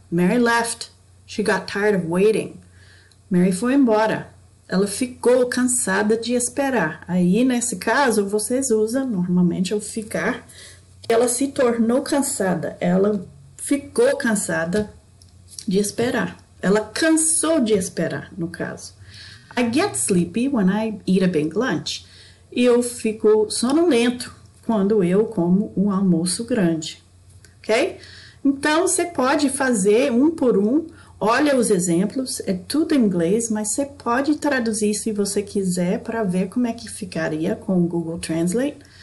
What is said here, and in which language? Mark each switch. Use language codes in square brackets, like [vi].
[en] Mary left, she got tired of waiting. [pt] Mary foi embora, ela ficou cansada de esperar. Aí, nesse caso, vocês usam normalmente o ficar, ela se tornou cansada, ela ficou cansada de esperar. Ela cansou de esperar, no caso. [en] I get sleepy when I eat a big lunch. [pt] Eu fico sonolento quando eu como um almoço grande. Ok? Então, você pode fazer um por um. Olha os exemplos. É tudo em inglês, mas você pode traduzir se você quiser para ver como é que ficaria com o Google Translate.